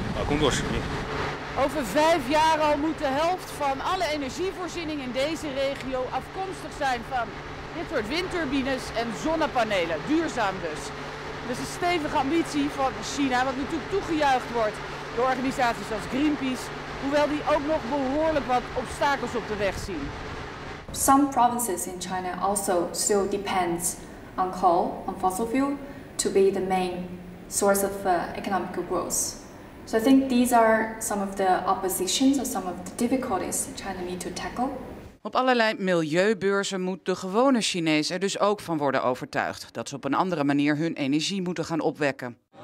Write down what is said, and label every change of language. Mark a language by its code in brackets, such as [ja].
[nl] Over 5 jaar al moet de helft van alle energievoorziening in deze regio afkomstig zijn van dit soort windturbines en zonnepanelen. Duurzaam dus. Dat is een stevige ambitie van China, wat natuurlijk toegejuicht wordt door organisaties als Greenpeace. Hoewel die ook nog behoorlijk wat obstakels op de weg zien. [en] Some provinces in China also still depends on coal, on fossil fuel, to be the main source of economic growth. So I think these are some of the oppositions or some of the difficulties China need to tackle. [nl] Op allerlei milieubeurzen moet de gewone Chinees er dus ook van worden overtuigd dat ze op een andere manier hun energie moeten gaan opwekken.